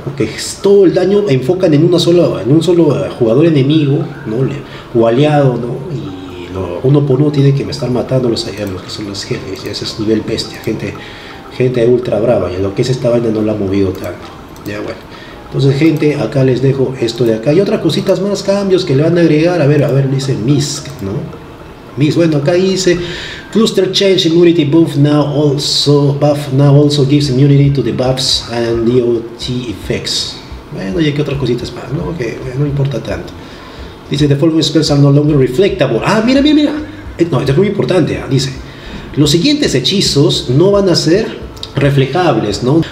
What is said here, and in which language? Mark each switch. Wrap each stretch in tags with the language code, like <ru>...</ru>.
<es>Porque todo el daño enfocan en un solo jugador enemigo, ¿no? O aliado, ¿no? Y uno por uno tiene que me estar matando los aliados, que son las Hellgates, ya, ese es nivel bestia, gente ultra brava, ya, lo que es esta vaina no la ha movido tanto, ya, bueno. Entonces, gente, acá les dejo esto de acá. Y otras cositas más, cambios que le van a agregar. A ver, dice MISC, ¿no? MISC, bueno, acá dice</es> <en>Cluster Change Immunity Buff now also gives immunity to the buffs and DOT effects.</en> <es>Bueno, y aquí otras cositas más, ¿no? Que okay, no importa tanto. Dice,</es> <en>the following spells are no longer reflectable.</en> <es>Ah, mira. No, esto es muy importante, ¿eh? Dice, los siguientes hechizos no van a ser reflejables, ¿no?</es>